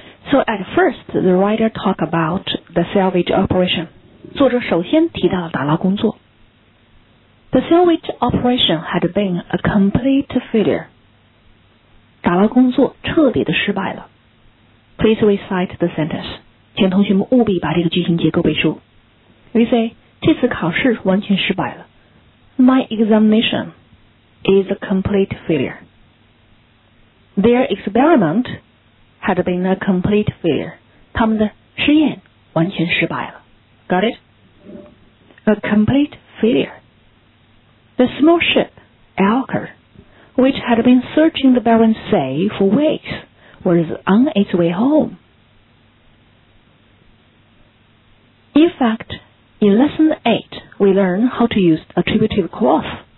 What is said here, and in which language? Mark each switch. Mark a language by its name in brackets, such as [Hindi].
[English] So at first, the writer talked about the salvage operation. [Chinese] 作者首先提到了打捞工作。 [English] The salvage operation had been a complete failure. [Chinese] 打捞工作彻底的失败了。 [English] Please recite the sentence. [Chinese] 请同学们务必把这个句型结构背熟。 We say, 这次考试完全失败了。 My examination... [English] is a complete failure. Their experiment had been a complete failure. [Chinese] 他们的试验完全失败了。 [English] Got it? A complete failure. The small ship, Elker, which had been searching the Barents Sea for weeks, was on its way home. In fact, in lesson 8, we learn how to use attributive clause.